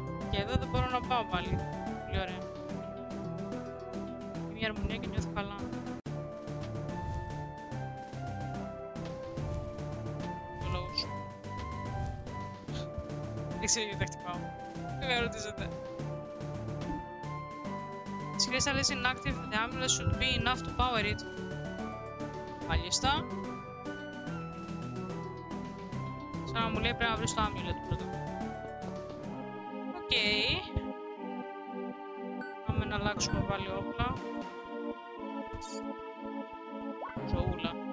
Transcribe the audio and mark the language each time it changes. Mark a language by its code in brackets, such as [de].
[el] Και εδώ δεν μπορώ να πάω πάλι. Πολύ ωραία. Έχει μια αρμονία και νιώθω καλά. Το λόγο σου. Δεν ξέρω γιατί τα χτυπάω. Δεν με ρωτήσατε. [en] Τις κρίσταλες είναι active, the amulet should be enough to power it. [el] Μάλιστα. Σαν να μου λέει πρέπει να βρεις το amulet πρώτα. Οκ. Πάμε να αλλάξουμε πάλι όπλα. Ζωούλα.